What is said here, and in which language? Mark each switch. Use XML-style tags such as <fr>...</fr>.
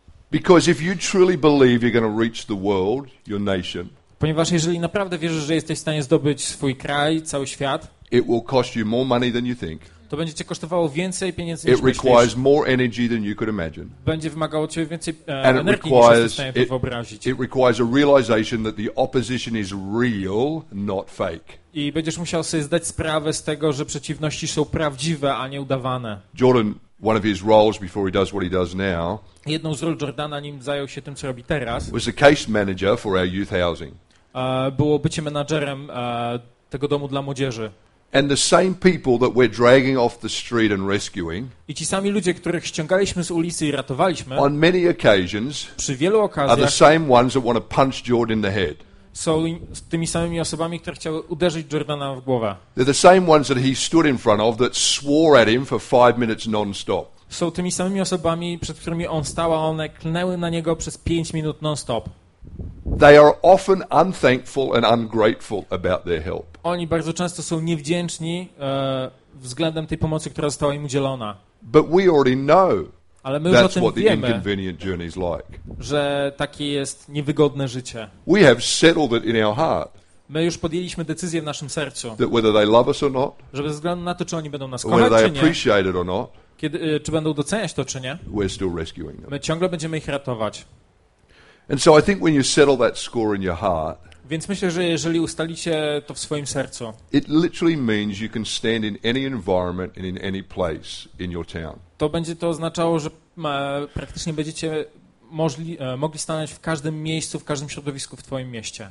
<en>Because if you truly believe you're going to reach the world, your nation,</en> <pl>ponieważ jeżeli naprawdę wierzysz, że jesteś w stanie zdobyć swój kraj, cały świat,</pl> <en>it will cost you more money than you think.</en> <pl>To będzie cię kosztowało więcej pieniędzy niż myślisz.</pl> <en>More energy than you could imagine.</en> <pl>Będzie wymagało od ciebie więcej energii niż jesteś w stanie wyobrazić.</pl> <en>It requires a realization that the opposition is real, not fake.</en> <pl>I będziesz musiał sobie zdać sprawę z tego, że przeciwności są prawdziwe, a nie udawane.</pl> <en>Jordan, one of his roles before he does what he does now.</en> <pl>Jedną z ról Jordana, nim zajął się tym, co robi teraz.</pl> <en>Was a case manager for our youth housing.</en> <pl>Było bycie menadżerem tego domu dla młodzieży.</pl> <en>And the same people that we're dragging off the street and rescuing.</en> <pl>I ci sami ludzie, których ściągaliśmy z ulicy i ratowaliśmy.</pl> <en>On many occasions.</en> <pl>Przy wielu okazjach.</pl> <en>Are the same ones that want to punch Jordan in the head.</en> <pl>Są tymi samymi osobami, które chciały uderzyć Jordana w głowę.</pl> <en>They're the same ones that he stood in front of that swore at him for 5 minutes non-stop.</en> <pl>Są tymi samymi osobami, przed którymi on stał, a one klnęły na niego przez 5 minut non-stop.</pl> <en>They are often unthankful and ungrateful about their help.</en> <pl>Oni bardzo często są niewdzięczni względem tej pomocy, która została im udzielona.</pl> <en>But we already know.</en> <pl>Ale my już</pl> <en>that's</en> <pl>o tym</pl> <en>what</en> <pl>wiemy,</pl> <en>the inconvenient journey is like.</en> <pl>Że takie jest niewygodne życie.</pl> <en>We have settled it in our heart.</en> <pl>My już podjęliśmy decyzję w naszym sercu.</pl> <en>That whether they love us or not.</en> <pl>Że bez względu na to, czy oni będą nas kochać, czy nie.</pl> <en>Whether they appreciate it or not.</en> <pl>Kiedy, czy będą doceniać to, czy nie.</pl> <en>We're still rescuing them.</en> <pl>My ciągle będziemy ich ratować.</pl> <en>And so I think when you settle that score in your heart.</en> <pl>Więc myślę, że jeżeli ustalicie to w swoim sercu.</pl> <en>It literally means you can stand in any environment and in any place in your town.</en> <pl>To będzie to oznaczało, że praktycznie będziecie mogli stanąć w każdym miejscu, w każdym środowisku w twoim mieście.</pl>